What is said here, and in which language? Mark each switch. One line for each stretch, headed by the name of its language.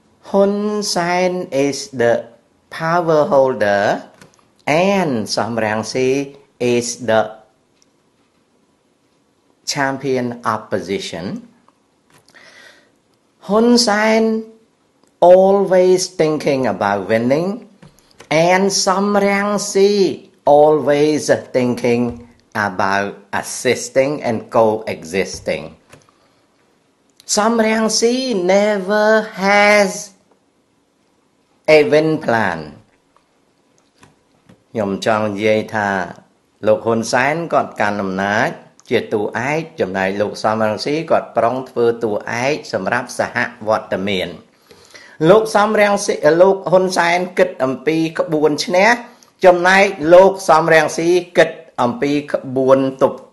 English: Hun Sen is the power holder and សំរងស៊ី is the champion opposition Hun Sen always thinking about winningAnd Sam Rangsi always thinking about assisting and coexisting. Sam Rangsi never has a win plan.
Khmer: ខ្ញុំចង់និយាយថាលោកហ៊ុនសែនគាត់កាន់អំណាចជាតួឯកចំណែកលោកសំរងស៊ីគាត់ប្រុងធ្វើតួឯកសម្រាប់សហវត្តមានលោកសំរងស៊ីលោកហ៊ុនសែនគិតអំពីក្បួនឈ្នះចំណែកលោកសំរងស៊ីគិតអំពីក្បួនទប